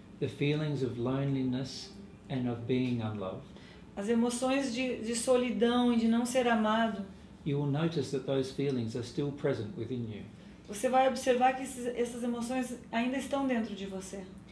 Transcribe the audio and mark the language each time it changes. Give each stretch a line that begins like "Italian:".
English: the feelings of loneliness and of being unloved,
Portuguese: as emoções de solidão e de não ser amado,
English: you will notice that those feelings are still present within you.
Portuguese: Você vai observar que essas emoções ainda estão dentro de você.